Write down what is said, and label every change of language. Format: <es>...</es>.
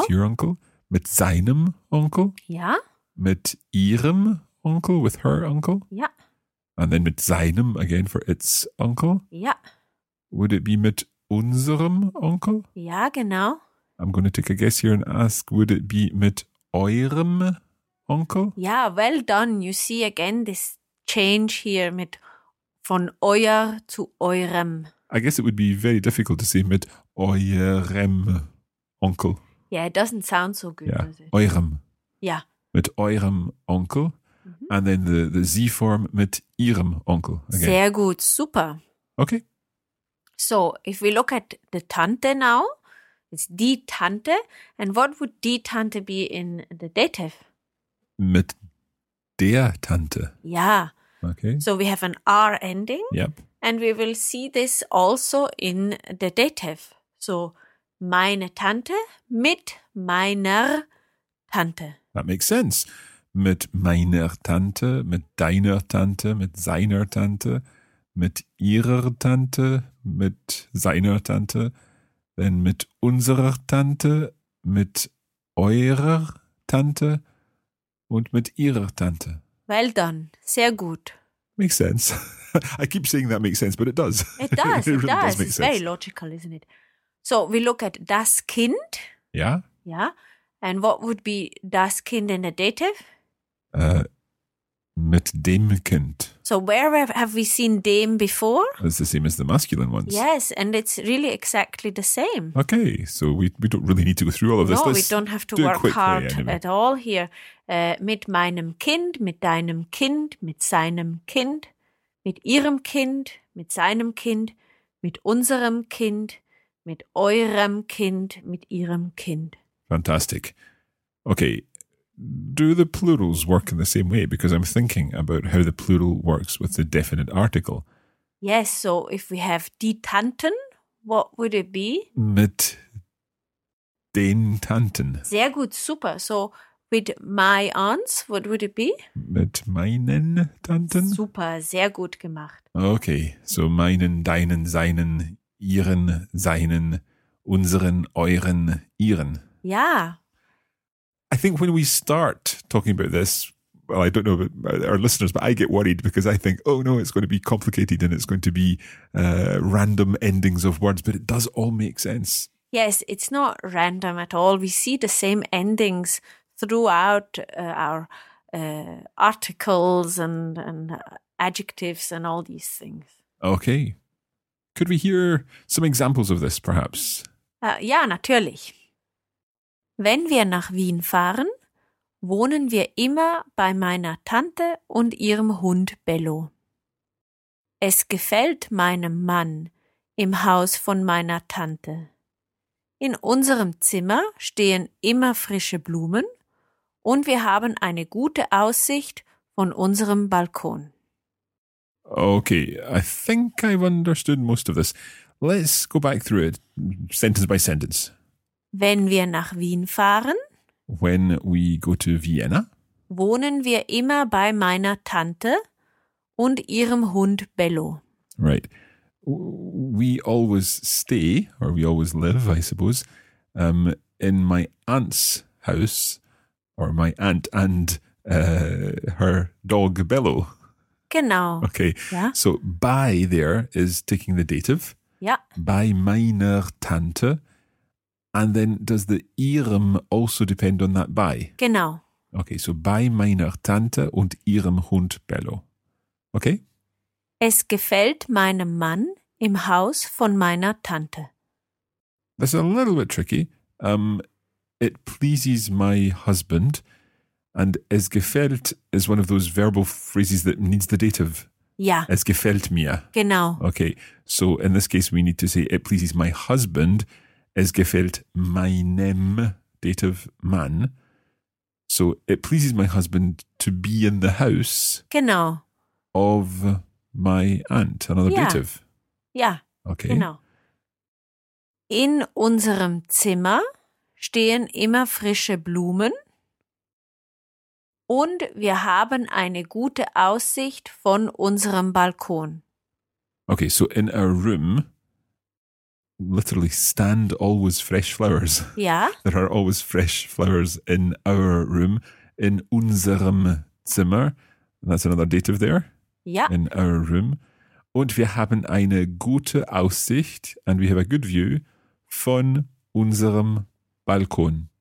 <en>With your uncle,</en> <de>mit seinem Onkel. Ja. Mit ihrem Onkel,</de> <en>with her uncle.</en> <de>Ja.</de> <en>And then</en> <de>mit seinem</de> <en>again for its uncle.</en> <de>Ja.</de> <en>Would it be</en> <de>mit unserem Onkel? Ja, genau.</de> <en>I'm going to take a guess here and ask, would it be</en> <de>mit eurem Onkel?</de> <en>Ja, well done. You see again this change here</en> <de>mit von euer zu eurem.</de> <en>I guess it would be very difficult to say</en> <de>mit eurem Onkel.</de> <en>Yeah, it doesn't sound so good, yeah. Does it?</en> <de>Eurem. Ja. Mit eurem Onkel. Mm-hmm.</de> <en>And then the Z form</en> <de>mit ihrem Onkel.</de> <en>Again.</en> <de>Sehr gut, super.</de> <en>Okay. So, if we look at the Tante now, it's</en> <de>die Tante.</de> <en>And what would</en> <de>die Tante</de> <en>be in the dative?</en> <de>Mit der Tante. Ja.</de> <en>Okay. So we have an R ending. Yep. And we will see this also in the dative.</en> <de>So, meine Tante mit meiner Tante.</de> <en>That makes sense.</en> <de>Mit meiner Tante, mit deiner Tante, mit seiner Tante. Mit ihrer Tante, mit seiner Tante, then mit unserer Tante, mit eurer Tante und mit ihrer Tante.</de> <en>Well done.</en> <de>Sehr gut.</de> <en>Makes sense. I keep saying that makes sense, but it does. It does. It really does. It's very logical, isn't it? So we look at</en> <de>das Kind. Ja. Ja.</de> <en>And what would be</en> <de>das Kind</de> <en>in the dative?</en> <de>Mit dem Kind.</de> <en>So where have we seen dem before? It's the same as the masculine ones. Yes, and it's really exactly the same. Okay, so we don't really need to go through all of this. No, we don't have to work hard at all here.</en> <de>Mit meinem Kind, mit deinem Kind, mit seinem Kind, mit ihrem Kind, mit seinem Kind, mit unserem Kind, mit eurem Kind, mit ihrem Kind.</de> <en>Fantastic. Okay. Do the plurals work in the same way? Because I'm thinking about how the plural works with the definite article. Yes, so if we have</en> <de>die Tanten,</de> <en>what would it be?</en> <de>Mit den Tanten. Sehr gut, super.</de> <en>So with my aunts, what would it be?</en> <de>Mit meinen Tanten. Super, sehr gut gemacht. Okay, so meinen, deinen, seinen, ihren, seinen, unseren, euren, ihren. Ja.</de> <en>I think when we start talking about this, well, I don't know about our listeners, but I get worried because I think, oh no, it's going to be complicated and it's going to be random endings of words, but it does all make sense. Yes, it's not random at all. We see the same endings throughout our articles and adjectives and all these things. Okay. Could we hear some examples of this, perhaps?</en> <de>Ja, natürlich. Wenn wir nach Wien fahren, wohnen wir immer bei meiner Tante und ihrem Hund Bello. Es gefällt meinem Mann im Haus von meiner Tante. In unserem Zimmer stehen immer frische Blumen und wir haben eine gute Aussicht von unserem Balkon.</de> <en>Okay, I think I've understood most of this. Let's go back through it, sentence by sentence.</en> <de>Wenn wir nach Wien fahren,</de> <en>when we go to Vienna,</en> <de>wohnen wir immer bei meiner Tante und ihrem Hund Bello.</de> <en>Right. We always stay, or we always live, I suppose, in my aunt's house, or my aunt and her dog Bello.</en> <de>Genau.</de> <en>Okay. Yeah. So by there is taking the dative. Yeah.</en> <de>By meiner Tante. And then does the ihrem also depend on that by? Genau. Okay, so bei meiner Tante und ihrem Hund Bello.</de> <en>Okay?</en> <de>Es gefällt meinem Mann im Haus von meiner Tante.</de> <en>That's a little bit tricky. It pleases my husband. And es gefällt is one of those verbal phrases that needs the dative.</en> <de>Ja. Es gefällt mir. Genau.</de> <en>Okay, so in this case we need to say it pleases my husband.</en> <de>Es gefällt meinem dative Mann.</de> <en>So, it pleases my husband to be in the house.</en> <de>Genau.</de> <en>Of my aunt. Another yeah. dative. Yeah. Okay.</en> <de>Genau. In unserem Zimmer stehen immer frische Blumen. Und wir haben eine gute Aussicht von unserem Balkon.</de> <en>Okay, so in our room, literally stand always fresh flowers. Yeah. There are always fresh flowers in our room.</en> <de>In unserem Zimmer.</de> <en>That's another dative there. Yeah. In our room.</en> <de>Und wir haben eine gute Aussicht</de> <en>and we have a good view</en> <de>von unserem Balkon.</de>